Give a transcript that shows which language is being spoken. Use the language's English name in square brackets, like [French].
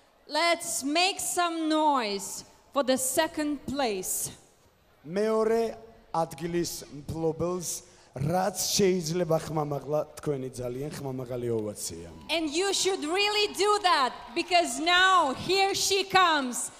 [English] Let's make some noise for the second place. [Georgian] მეორე ადგილის მფლობელს რაც შეიძლება ხმამაღლა თქვენი ძალიან ხმამაღალი ოვაცია. [English] And you should really do that because now here she comes.